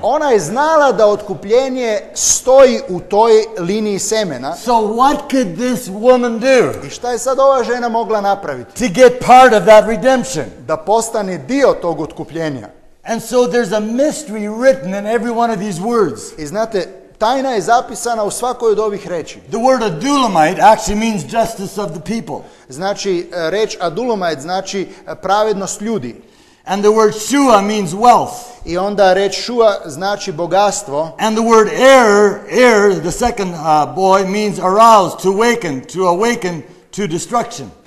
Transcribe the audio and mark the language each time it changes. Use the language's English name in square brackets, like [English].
[Croatian] Ona je znala da otkupljenje stoji u toj liniji semena. [English] So what could this woman do? [Croatian] I šta je sad ova žena mogla napraviti? [English] To get part of that redemption. [Croatian] Da postane dio tog otkupljenja. [English] And so there's a mystery written in every one of these words. [Croatian] I znate, tajna je zapisana u svakoj od ovih reči. [English] The word adulamite actually means justice of the people. [Croatian] Znači, reč adulamite znači pravednost ljudi. [English] And the word shua means wealth. [Croatian] I onda reč shua znači bogatstvo. [English] And the word heir, the second boy, means arouse, to awaken to destruction.